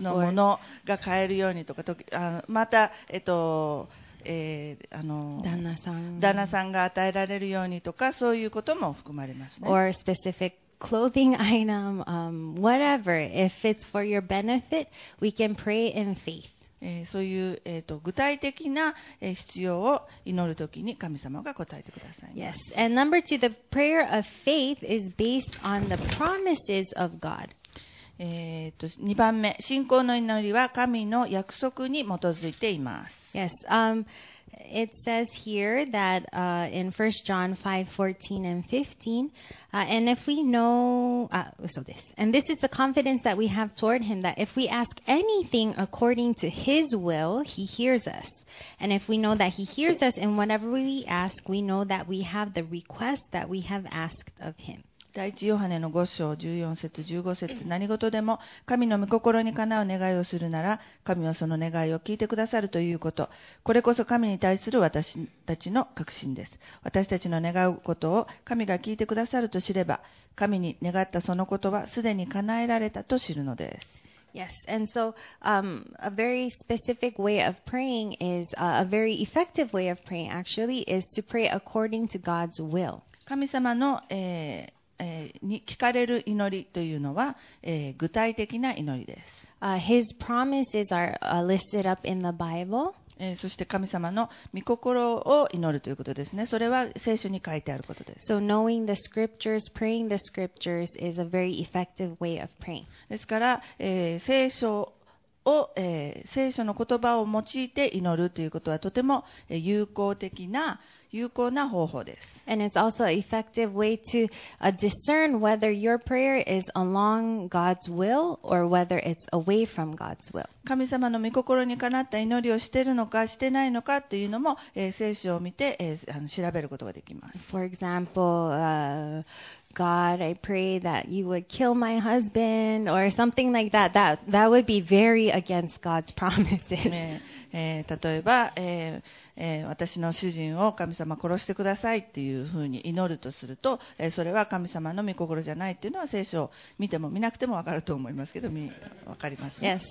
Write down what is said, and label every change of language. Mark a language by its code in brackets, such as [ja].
[ja] その唯一のものが買えるようにとか、また、旦那さんが与えられるようにとか、そういうことも含まれますね。 [en] Or a specific clothing item, whatever. If it's for your benefit, we can pray in faith. [ja] そういう、具体的な、必要を祈るときに神様が答えてください。 [en] Yes. And number two, the prayer of faith is based on the promises of God. [ja] 2番目、信仰の祈りは神の約束に基づいています。 [en] Yes. It says here that in 1 John 5:14 and 15, and if we know, so this, and this is the confidence that we have toward him, that if we ask anything according to his will, he hears us. And if we know that he hears us in whatever we ask, we know that we have the request that we have asked of him. [ja] 第1ヨハネの5章14節15節、何事でも神の御心にかなう願いをするなら、神はその願いを聞いてくださるということ。これこそ神に対する私たちの確信です。私たちの願うことを神が聞いてくださると知れば、神に願ったそのことはすでに叶えられたと知るのです。 [en] Yes, and so, a very specific way of praying is, a very effective way of praying actually is to pray according to God's will. [ja] 神様の、に聞かれる祈りというのは、具体的な祈りです。 [en] His promises are listed up in the Bible. [ja] そして神様の御心を祈るということですね。それは聖書に書いてあることです。 [en] So knowing the scriptures, praying the scriptures is a very effective way of praying. [ja] ですから、聖書を、聖書の言葉を用いて祈るということはとても有効的な有効な方法です。 [en] And it's also an effective way to discern whether your prayer is along God's will or whether it's away from God's will. [ja] 神様の御心にかなった祈りをしているのかしてないのかっていうのも、聖書を見て、調べることができます。 [en] For example, God, I pray that you would kill my husband or something like that. That, that would be very against God's promises. [ja] 例えば、私の主人を神様殺してくださいっていうふうに祈るとすると、それは神様の御心じゃないっていうのは聖書を見ても見なくてもわかると思いますけど、わかりますね。